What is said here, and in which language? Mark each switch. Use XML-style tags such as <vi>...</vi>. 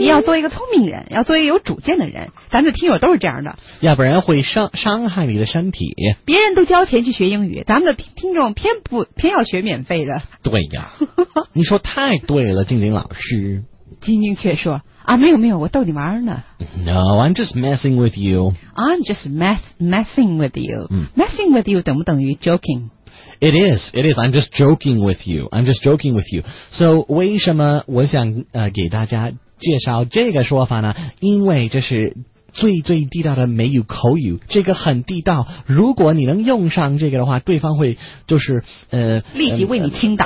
<zh>你要做一个聪明人，要做一个有主见的人，咱们的听友都是这样的。要不然会伤害你的身体。别人都交钱去学英语，咱们的听众偏要学免费的。对呀。你说太多。对了，静静老师，静静却说啊，没有没有，我逗你玩呢。</zh> <en>No, I'm just messing with you. I'm just messing with you.、Messing with you</en> <zh>等不等于</zh> <en>joking? It is, it is. I'm just joking with you. I'm just joking with you.</en> <zh>So 为什么我想给大家介绍这个说法呢？因为这是最最地道的美语口语，这个很地道。如果你能用上这个的话，对方会就是立即为你倾倒。</zh>